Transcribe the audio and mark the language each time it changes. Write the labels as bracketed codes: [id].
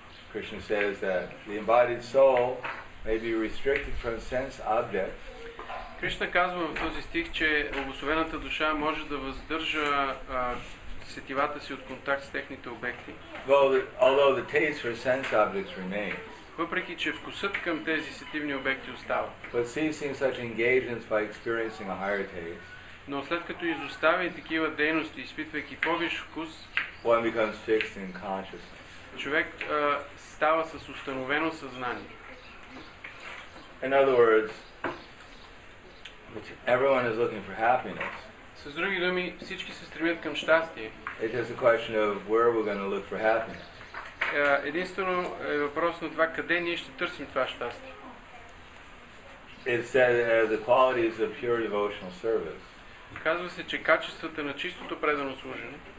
[en] Krishna says that the embodied soul may be restricted from sense objects. [bg] Krishna казва в този стих, че обусловената душа може да въздържа сетивата си от контакт с техните обекти. [en] Although the taste for sense objects remains. [bg] Въпреки че вкусът към тези сетивни обекти остава. [en] But ceasing such engagements by experiencing a higher taste. [bg] Но след като изоставя такива дейности, изпитвайки по-виш вкус, [en] one becomes fixed in consciousness. [bg] Човек става с установено съзнание. [en] In other words, everyone is looking for happiness. [bg] С други думи, всички се стремят към щастие. [en] It is a question of where we're going to look for happiness. [bg] Единствено е въпрос на това къде ние ще търсим това щастие. [en] It said the qualities of pure devotional service. [bg] Казва се, че качествата на чистото предано служене.